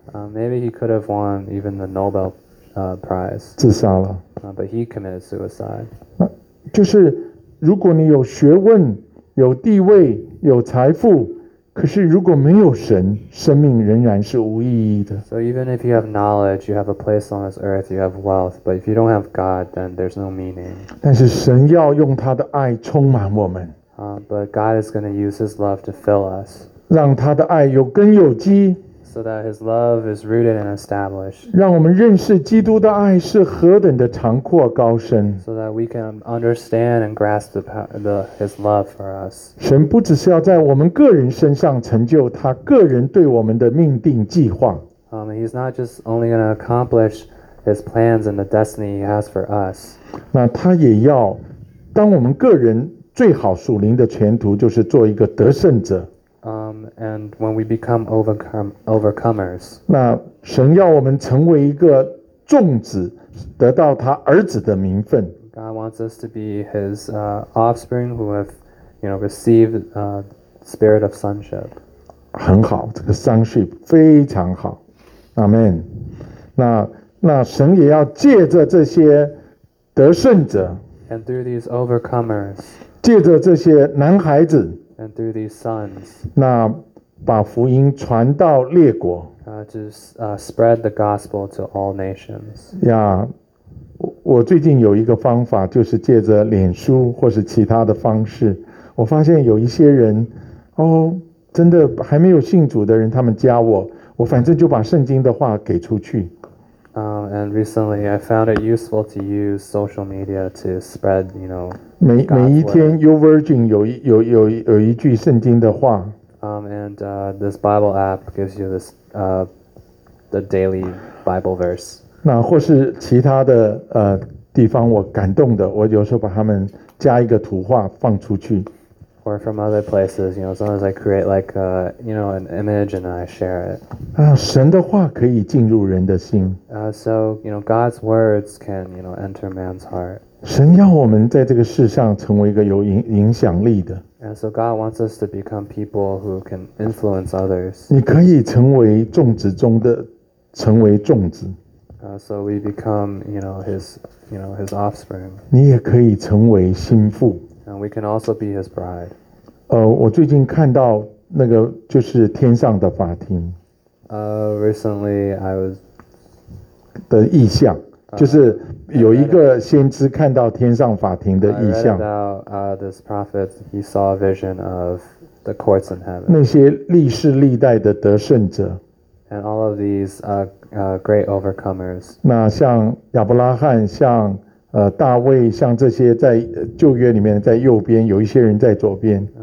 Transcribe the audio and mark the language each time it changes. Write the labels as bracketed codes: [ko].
[en] Maybe he could have won even the Nobel Prize. Prize, [zh] 自杀了。 [en] But he committed suicide. [zh] 就是如果你有学问、有地位、有财富，可是如果没有神，生命仍然是无意义的。 [en] So even if you have knowledge, you have a place on this earth, you have wealth, but if you don't have God, then there's no meaning. [zh] 但是神要用他的爱充满我们。 [en] But God is going to use his love to fill us. [zh] 让他的爱有根有基。 [en] So that his love is rooted and established. [zh] 让我们认识基督的爱是何等的长阔高深。 [en] So that we can understand and grasp his love for us. [zh] 神不只是要在我们个人身上成就他个人对我们的命定计划。 [en] He's not just only going to accomplish his plans and the destiny he has for us. [zh] 那他也要，当我们个人最好属灵的前途就是做一个得胜者。 [en] And when we become overcomers, [zh] 那神要我们成为一个众子，得到他儿子的名分。 [en] God wants us to be his offspring who have, you know, received spirit of sonship. [zh] 很好，这个 sonship 非常好。 [en] Amen. [zh] 那神也要借着这些得胜者， [en] and through these overcomers, [zh] 借着这些男孩子。 [en] And through these sons, [zh] 那把福音传到列国。 [en] Spread the gospel to all nations. [zh] Yeah, 我最近有一个方法，就是借着脸书或是其他的方式，我发现有一些人，哦，真的还没有信主的人，他们加我，我反正就把圣经的话给出去。 [en] And recently, I found it useful to use social media to spread, you know. [zh] 每一天 ，YouVersion 有一句圣经的话。 [en] This Bible app gives you this, the daily Bible verse. [zh] 那或是其他的地方，我感动的，我有时候把他们加一个图画放出去。 [en] Or from other places, you know, sometimes I create like, you know, an image and I share it. [zh] 神的话可以进入人的心。 [en] So, you know, God's words can, you know, enter man's heart. [zh] 神要我们在这个世上成为一个有影响力的。 [en] And so God wants us to become people who can influence others. [zh] 你可以成为众子中的，成为众子。 [en] So we become, his offspring. [zh] 你也可以成为心腹。 [en] And we can also be his bride. [zh] 我最近看到那个就是天上的法庭。 [en] Recently I was [zh] 的意象，就是有一个先知看到天上法庭的意象。 [en] I read about, this prophet, he saw a vision of the courts in heaven. [zh] 那些历世历代的得胜者。 [en] And all of these, great overcomers. [zh] 那像亚伯拉罕，像大卫，像这些在旧约里面，在右边有一些人在左边。